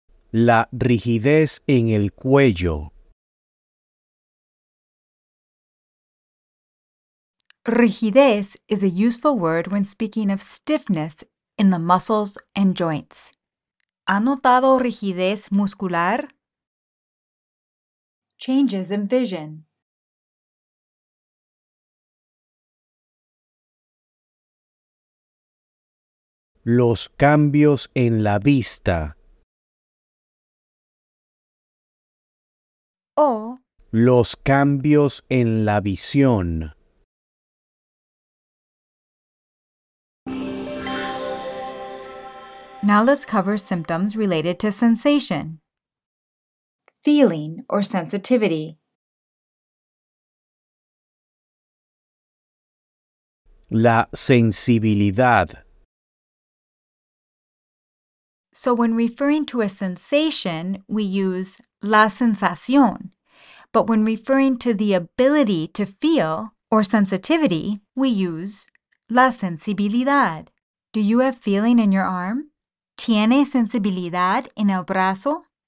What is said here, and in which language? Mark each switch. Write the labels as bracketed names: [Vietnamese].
[Spanish] La rigidez en el cuello. [English] Rigidez is a useful word when speaking of stiffness in the muscles and joints. [Spanish] ¿Ha notado rigidez muscular? [English] Changes in vision. [Spanish] Los cambios en la vista. O los cambios en la visión. [English] Now let's cover symptoms related to sensation. Feeling or sensitivity. [Spanish] La sensibilidad. [English] So when referring to a sensation, we use la sensación. But when referring to the ability to feel or sensitivity, we use la sensibilidad. Do you have feeling in your arm? [Spanish] ¿Tiene sensibilidad en el brazo?